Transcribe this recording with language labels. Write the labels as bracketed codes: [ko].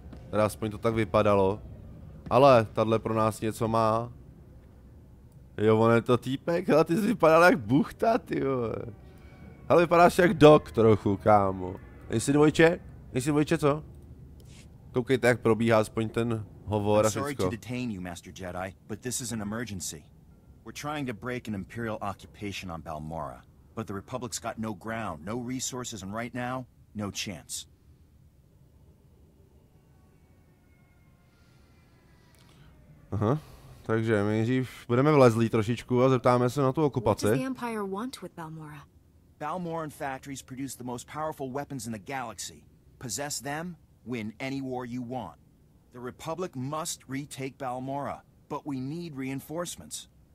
[cs] Teda aspoň to tak vypadalo. Ale, tadle pro nás něco má. Jo, on je to týpek, ale ty jsi vypadal jak buchta, ty vole. Ale vypadáš jak dog trochu, kámo. Jsi dvojče? Jsi dvojče, co? Koukejte, jak probíhá aspoň ten hovor a všechno. [en] I'm sorry to detain you, Master Jedi, but this is an emergency. We're trying to break an Imperial occupation on Balmora, but the Republic's got no ground, no resources, and right now, no chance. [cs] Aha, takže my nejdřív budeme vlezlí trošičku a zeptáme se na tu okupaci. [en] What does the Empire want with Balmora? Balmoran factories produce the most powerful weapons in the galaxy. Possess them, win any war you want. The Republic must retake Balmora, but we need reinforcements.